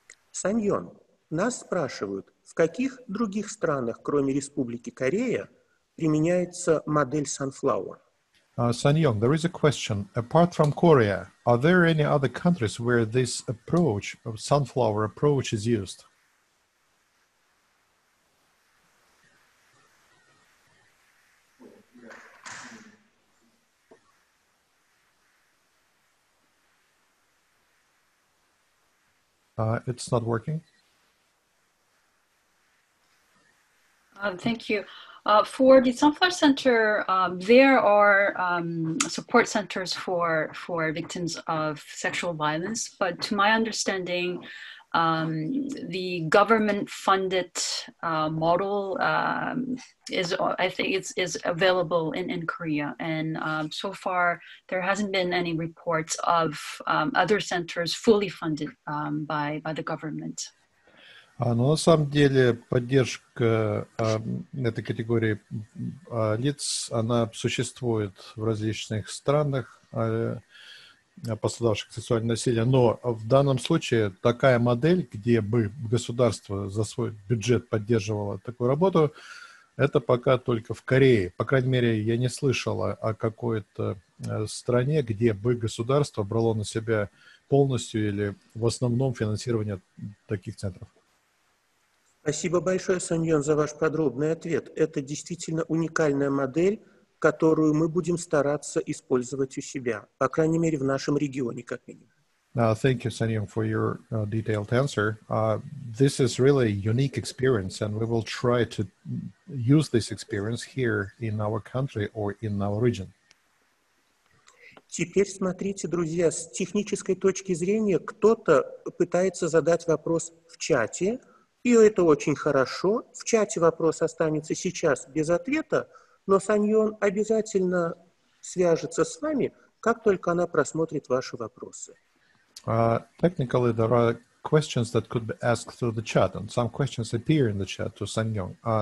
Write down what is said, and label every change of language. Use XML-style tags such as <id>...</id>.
<ru>Саньон, нас спрашивают, в каких других странах, кроме Республики Корея, применяется модель Sunflower?</ru> <en>Sonheong, there is a question. Apart from Korea, are there any other countries where this approach, of sunflower approach, is used? It's not working. Thank you. For the Sunflower Center, there are support centers for victims of sexual violence, but to my understanding, the government-funded model is available in Korea. And so far, there hasn't been any reports of other centers fully funded by the government.</en> <ru>Но на самом деле поддержка этой категории лиц, она существует в различных странах, пострадавших от сексуального насилия. Но в данном случае такая модель, где бы государство за свой бюджет поддерживало такую работу, это пока только в Корее. По крайней мере, я не слышала о какой-то стране, где бы государство брало на себя полностью или в основном финансирование таких центров. Спасибо большое, Сонньон, за ваш подробный ответ. Это действительно уникальная модель, которую мы будем стараться использовать у себя, по крайней мере, в нашем регионе, как минимум.</ru> <en>Thank you, Sonheong, for your detailed answer. This is really a unique experience, and we will try to use this experience here in our country or in our region.</en> <ru>Теперь смотрите, друзья, с технической точки зрения кто-то пытается задать вопрос в чате. И это очень хорошо. В чате вопрос останется сейчас без ответа, но Сонньон обязательно свяжется с вами, как только она просмотрит ваши вопросы.</ru> <en>Technically, there are questions that could be asked through the chat, and some questions appear in the chat to Sonheong.</en>